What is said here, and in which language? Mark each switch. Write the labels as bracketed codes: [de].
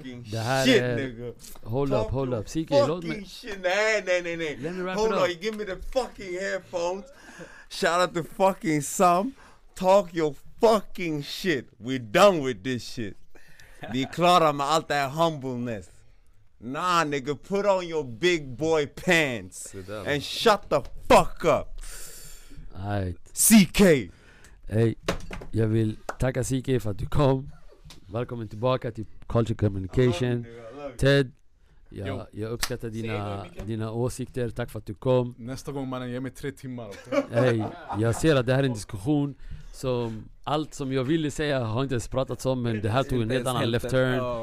[sv] Det här shit, är nigga. [en] Hold up. CK, [sv] låt mig. Nej. [en] Let me wrap hold it up. On, you give me the fucking headphones. Shout out to fucking Sam. Talk your fucking shit. We're done with this shit. [sv] Vi är klara med [en] all that humbleness. Nah, nigga, put on your big boy pants. And shut the fuck up. All right. CK. [sv] Hej, jag vill tacka CK för att du kom. Välkommen tillbaka till Culture Communication. [en] I love you. Ted, [sv] Jag uppskattar dina åsikter. Tack för att du kom. Nästa gång, mannen, ge mig 3 timmar. Hey, jag ser att det här är en diskussion som allt som jag ville säga har inte ens pratats om, men det här tog en helt annan [en] left turn.